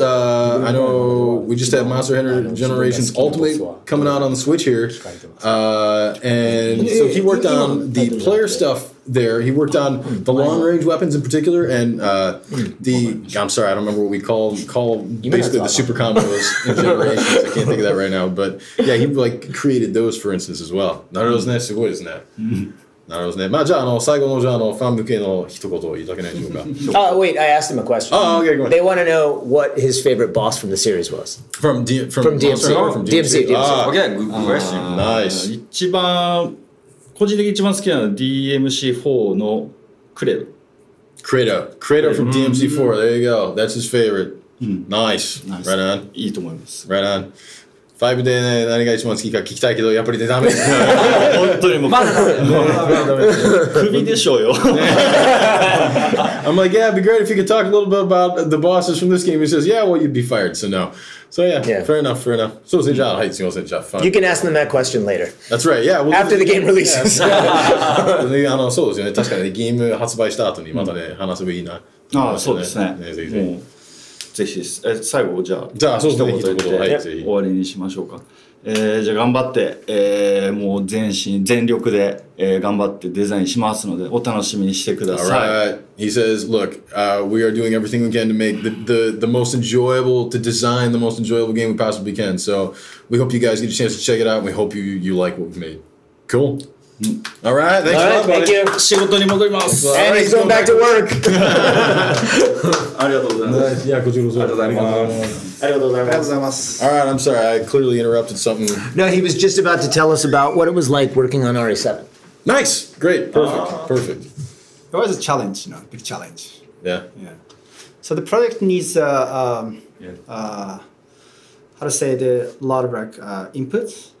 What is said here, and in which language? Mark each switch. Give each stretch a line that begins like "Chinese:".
English: I know we just had Monster Hunter Generations Ultimate coming out on the Switch here, and so he worked on the player stuff there. He worked on the long range weapons in particular, and I'm sorry, I don't remember what we call basically the super combos in Generations. I can't think of that right now, but yeah, he like created those for instance as well.
Japanese: なるほどね、すごいですね。なるほどね。まあじゃあ、あの最後のじゃあ、あのファン向けの一言を言いたくないでしょうか。
English: Oh, wait, I asked him a question. Oh, okay, go ahead. They want to know what his favorite boss from the series was. From DMC. DMC. Again, good question. Nice.
Japanese: 一番、個人的に一番好きなのは DMC4 のクレド。
English: クレド。クレドfrom DMC4. There you go. That's his favorite. Nice. Right on.
Japanese: いいと思います。
English: Right on.
Japanese: ファイブで、ね、何が一番好きか聞きたいけど、やっぱりダメですね。本当にもう。まだダメ。首でしょうよ。
English: I'm like, yeah, it'd be great if you could talk a little bit about the bosses from this game. He says, yeah, well, you'd be fired, so no. So yeah, fair enough, fair enough.
Japanese: そうですね、じゃあ、はい、すみません、じゃあ、
English: You can ask them that question later. That's right, yeah. We'll After the game releases.
Japanese: あのそうですね、確かにゲーム発売した後にまたね、話せばいいな。あ、そうですね。ねぜひぜひです。最後じゃあ、じゃあ、そうですね、一言で、はい、終わりにしましょうか。じゃあ、頑張って、もう全身、全力で、頑張ってデザインしますので、お楽しみにしてください。
English: All right. He says, look, we are doing everything we can to make the most enjoyable, to design the most enjoyable game we possibly can. So, we hope you guys get a chance to check it out, and we hope you like what we've made. Cool? Mm. All right, thanks All right, thank you.
Japanese: 仕事に戻ります。
English: And he's going back to work.
Japanese: ありがとうございます。いや、こちらこそ。ありがとうございます。ありがとうございます。
English: All right, I'm sorry, I clearly interrupted something. No, he was just about to tell us about what it was like working on RE7. Nice, great, perfect, perfect. It was a challenge, you know, big challenge. Yeah. Yeah. So the project needs, how to say, a lot of like, input.